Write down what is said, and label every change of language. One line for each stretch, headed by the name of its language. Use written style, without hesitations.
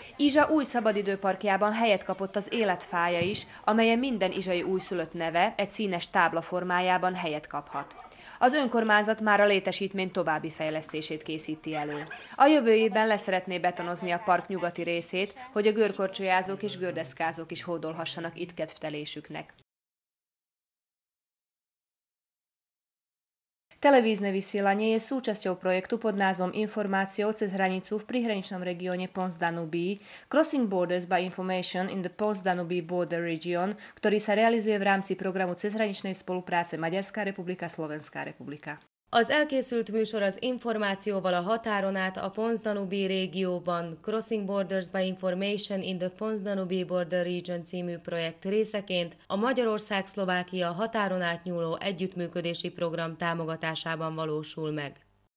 Hungarian: Izsa új szabadidőparkjában helyet kapott az életfája is, amelyen minden izsai újszülött neve egy színes tábla formájában helyet kaphat. Az önkormányzat már a létesítmény további fejlesztését készíti elő. A jövő évben leszeretné betonozni a park nyugati részét, hogy a görkorcsolyázók és gördeszkázók is hódolhassanak itt kedvtelésüknek.
Slovak: Televízne vysielanie je súčasťou projektu pod názvom Informácie o cez hranicu v prihraničnom regióne Ponts-Danubí,
English: Crossing Borders by Information in the Ponts-Danubí Border Region,
Slovak: ktorý sa realizuje v rámci programu cezhraničnej spolupráce Maďarská republika – Slovenská republika.
Hungarian: Az elkészült műsor az információval a határon át a Ponts-Danubí régióban,
English: Crossing Borders by Information in the Ponts-Danubí Border Region
Hungarian: című projekt részeként a Magyarország-Szlovákia határon átnyúló együttműködési program támogatásában valósul meg.